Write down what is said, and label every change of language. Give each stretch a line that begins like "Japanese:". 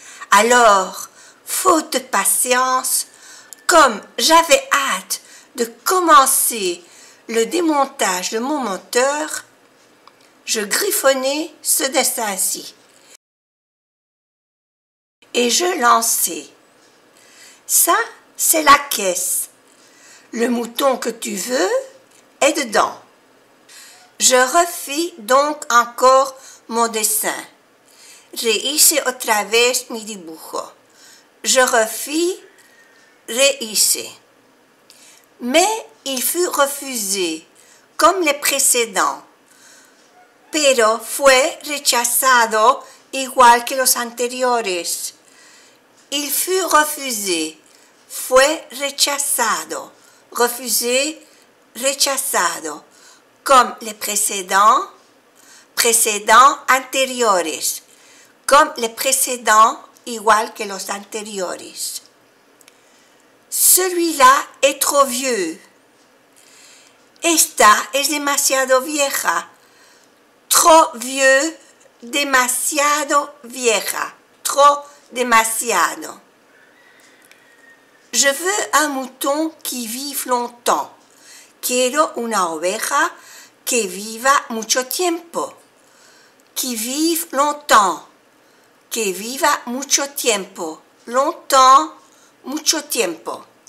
French: Alors, faute de patience, comme j'avais hâte de commencer le démontage de mon moteur, je griffonnais ce dessin-ci. Et je lançais. Ça, c'est la caisse. Le mouton que tu veux est dedans. Je refis donc encore mon dessin.
Spanish: Rehice otra vez mi dibujo.
French: Je refis,
Spanish: rehice.
French: Mais il fut refusé, comme les précédents.
Spanish: Pero fue rechazado igual que los anteriores.
French: Il fut refusé.
Spanish: Fue rechazado.
French: Refusé,
Spanish: rechazado.
French: Comme les précédents, précédents anteriores. Comme les précédents,
Spanish: igual que los anteriores.
French: Celui-là est trop vieux.
Spanish: Esta es demasiado vieja.
French: Trop vieux,
Spanish: demasiado vieja. Trop demasiado.
French: Je veux un mouton qui vive longtemps.
Spanish: Quiero una oveja que viva mucho tiempo.
French: Qui vive longtemps.
Spanish: Que viva mucho tiempo. Longtemps, mucho tiempo.